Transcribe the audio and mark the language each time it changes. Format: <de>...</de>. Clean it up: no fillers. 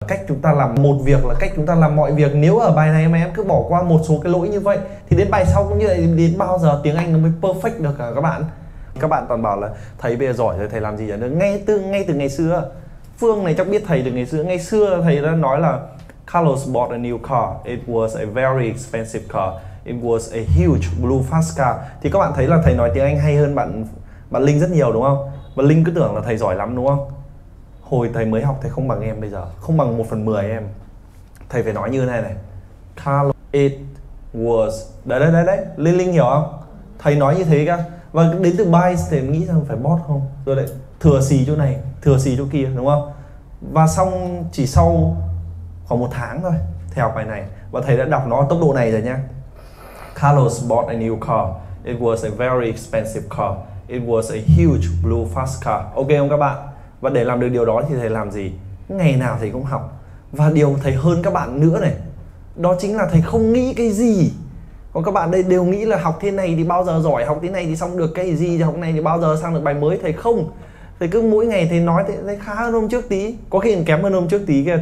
<vi>cách chúng ta làm một việc là cách chúng ta làm mọi việc. Nếu ở bài này mà em cứ bỏ qua một số cái lỗi như vậy thì đến bài sau cũng như vậy, đến bao giờ tiếng Anh nó mới perfect được hả các bạn? Các bạn toàn bảo là thầy bây giờ giỏi rồi, thầy làm gì nữa. Ngay từ ngày xưa, Phương này chắc biết thầy từ ngày xưa. Ngày xưa thầy đã nói là</vi> <en>Carlos bought a new car. It was a very expensive car. It was a huge blue fast car.</en> <vi>Thì các bạn thấy là thầy nói tiếng Anh hay hơn bạn Linh rất nhiều đúng không? Bạn Linh cứ tưởng là thầy giỏi lắm đúng không? Hồi thầy mới học thầy không bằng em bây giờ, không bằng 1/10 em. Thầy phải nói như thế này này.</vi> <en>Carlos, it was.</en> <vi>Đấy, Linh hiểu không? Thầy nói như thế cả. Và đến từ bias thì em nghĩ rằng phải bot không? Rồi lại thừa xì chỗ này, thừa xì chỗ kia đúng không? Và xong chỉ sau khoảng 1 tháng thôi thầy học bài này và thầy đã đọc nó tốc độ này rồi nhá.</vi> <en>Carlos bought a new car. It was a very expensive car. It was a huge blue fast car.</en> <vi>Ok không các bạn? Và để làm được điều đó thì thầy làm gì? Ngày nào thầy cũng học. Và điều thầy hơn các bạn nữa này, đó chính là thầy không nghĩ cái gì. Còn các bạn đây đều nghĩ là học thế này thì bao giờ giỏi, học thế này thì xong được cái gì, học này thì bao giờ sang được bài mới. Thầy không. Thầy cứ mỗi ngày thầy nói thầy khá hơn hôm trước tí, có khi còn kém hơn hôm trước tí kìa.</vi>